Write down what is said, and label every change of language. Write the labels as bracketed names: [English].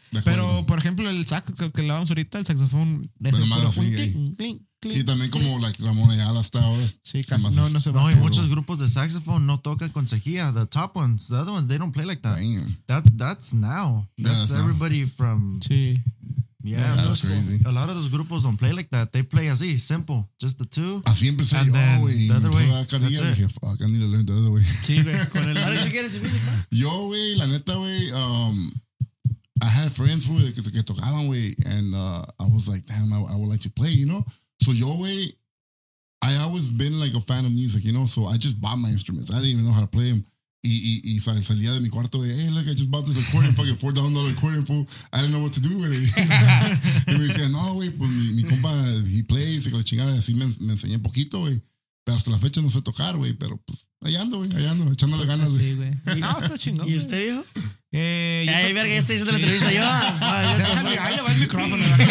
[Spanish] Pero, por ejemplo, el sax que le damos ahorita, el saxofón. Pero más así, clink, y también como la like, Ramón Ayala hasta ahora. Sí, casi no se va. No, y muchos grupos de saxofón no tocan con cejilla. [English] The top ones, the other ones, they don't play like that. Damn. That's now. That's everybody now. From... [Spanish] Sí. [English] Yeah, that's crazy. A lot of those groupos don't play like that. They play así, simple. Just the two. [Spanish] Así empecé yo, güey. [English] The other way. That's it. Dije, fuck, I need to learn the other way. [Spanish] Sí, güey. Con el... [English] How did you get into music? [Spanish] Yo, güey, la neta, güey, [English] I had friends, [Spanish] güey, que tocaban, güey, [English] and I was like, damn, I would like to play, you know? So [Spanish] yo, güey, [English] I always been like a fan of music, you know? So I just bought my instruments. I didn't even know how to play them. [Spanish] Y salía de mi cuarto de, [English] hey, look, I just bought this accordion, fucking $4 accordion, fool. I didn't know what to do with it. [Spanish] Y me decían, no, güey, pues mi compa, [English] he plays, [Spanish] y con la chingada, así me enseñé un poquito, güey. Pero hasta la fecha no sé tocar, güey, pero pues allá ando, echándole pues ganas. Sí, güey. No, está chingón. ¿Y usted, hijo? Ay, verga, ya estoy haciendo la entrevista. Yo, ahí le va el micrófono.